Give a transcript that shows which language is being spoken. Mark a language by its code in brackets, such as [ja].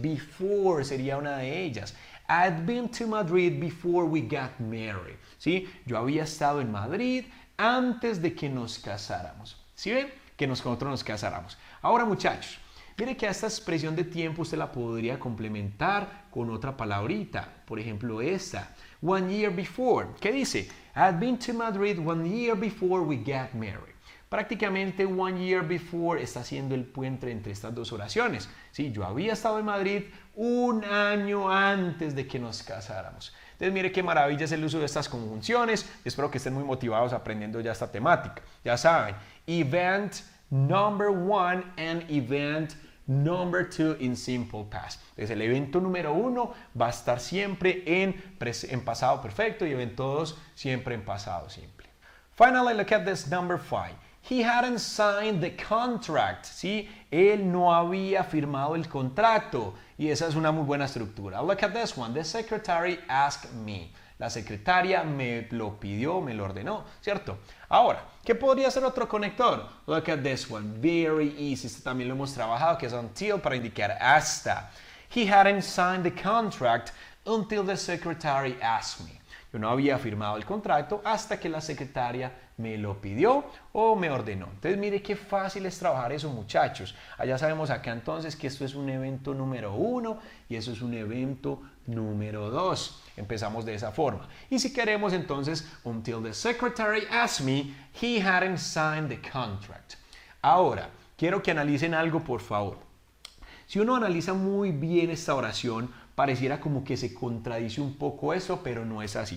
[es] Before sería una de ellas. [en] I'd been to Madrid before we got married. [es] ¿Sí? Yo había estado en Madrid antes de que nos casáramos. ¿Sí ven? Que nosotros nos casáramos. Ahora, muchachos, mire que a esta expresión de tiempo usted la podría complementar con otra palabrita. Por ejemplo, esta. [en] One year before. [es] ¿Qué dice? [en] I'd been to Madrid one year before we got married. [es] Prácticamente, one year before está haciendo el puente entre estas dos oraciones. Sí, yo había estado en Madrid un año antes de que nos casáramos. Entonces, mire qué maravilla es el uso de estas conjunciones. Espero que estén muy motivados aprendiendo ya esta temática. [en] Ya saben, event number one and event number two in simple past. [es] Entonces, el evento número uno va a estar siempre en pasado perfecto y evento dos siempre en pasado simple. [en] Finally, look at this number five. He hadn't signed the contract, ¿sí? [es] Él no había firmado el contrato. Y esa es una muy buena estructura. [en] Look at this one. The secretary asked me. [es] La secretaria me lo pidió, me lo ordenó, ¿cierto? Ahora, ¿qué podría ser otro conector? [en] Look at this one. Very easy. [es] Este también lo hemos trabajado, que es until para indicar hasta. [en] He hadn't signed the contract until the secretary asked me. [es] Yo no había firmado el contrato hasta que la secretaria me lo pidió o me ordenó. Entonces, mire qué fácil es trabajar eso, muchachos. Allá sabemos acá entonces que esto es un evento número uno y eso es un evento número dos. Empezamos de esa forma. Y si queremos entonces, [en] until the secretary asked me, he hadn't signed the contract. [es] Ahora, quiero que analicen algo, por favor. Si uno analiza muy bien esta oración, pareciera como que se contradice un poco eso, pero no es así.